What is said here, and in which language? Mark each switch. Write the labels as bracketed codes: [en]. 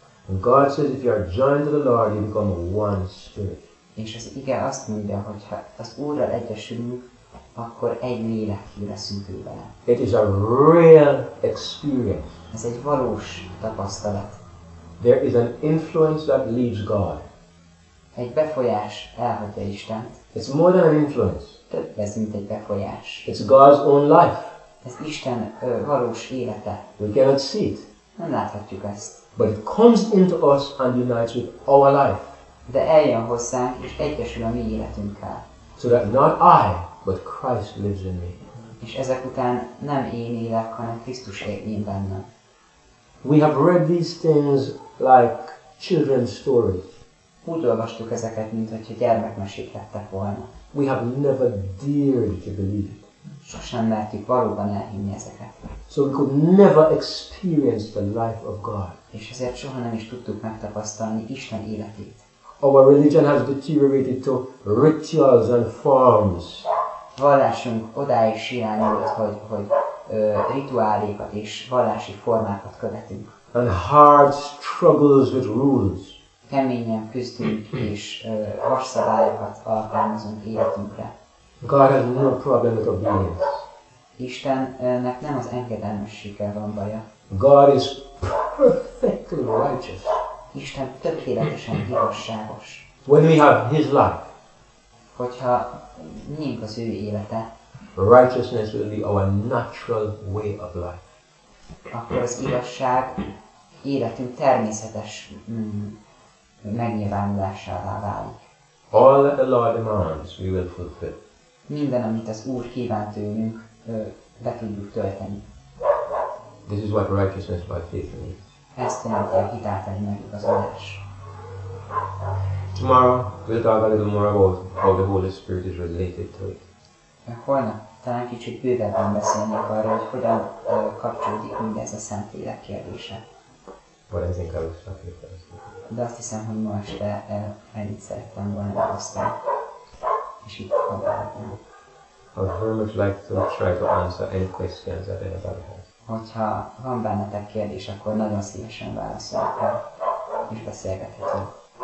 [en] And God says if you are joined to the Lord, you become one spirit. [hu] És az ige azt mondja, hogy ha az Úrral egyesülünk, akkor egy lélekké leszünk ő vele. [en] It is a real experience. [hu] Ez egy valós tapasztalat. [en] There is an influence that leaves God. [hu] Egy befolyás elhagyja Istent. [en] It's more than an influence. [hu] Több lesz, mint egy befolyás. [en] It's God's own life. [hu] Ez Isten valós élete. [en] We cannot see it. [hu] Nem láthatjuk ezt. [en] But it comes into us and unites with our life. [hu] De eljön hozzánk, és egyesül a mi életünkkel. [en] So that not I, but Christ lives in me. [hu] És ezek után nem én élek, hanem Krisztus él bennem. [en] We have read these things like children's stories. [hu] Úgy olvastuk ezeket, mintha gyermekmesék lettek volna. [en] We have never dared to believe it. [hu] Sosem mertük valóban elhinni ezeket. [en] So we could never experience the life of God. [hu] És ezért soha nem is tudtuk megtapasztalni Isten életét. [en] Our religion has deteriorated to rituals and forms. [hu] Vallásunk odáig sirányult, hogy rituálékat és vallási formákat követünk. [en] And hard struggles with rules. [hu] Keményen küzdünk és vasszabályokat alkalmazunk életünkre. [en] God has no problem with obedience. [hu] Istennek nem az engedelmességgel van baja. [en] God is perfectly righteous. [hu] Isten tökéletesen igazságos. [en] When we have his life. [hu] Hogyha miénk az ő élete. [en] Righteousness will be our natural way of life. [hu] Akkor az igazság életünk természetes megnyilvánulásává válik. [en] All that the Lord demands, we will fulfill. [hu] Minden, amit az Úr kíván tőlünk, be tudjuk tölteni. [en] This is what righteousness by faith means. [hu] Ezt jelenti a hitáltani megigazolás. [en] Tomorrow we'll talk a little more about how the Holy Spirit is related to it. [hu] Holnap talán kicsit bővebben beszélnék arra, hogy hogyan kapcsolódik mindez a Szentlélek kérdése. [en] But I think I will stop here first. [hu] De azt hiszem, hogy ma este ennyit szerettem volna elhoztam. És itt hallgatom. [en] I would very much like to try to answer any questions that anybody has. [hu] Hogyha van bennetek kérdés, akkor nagyon szívesen válaszolok el, és beszélgethetünk.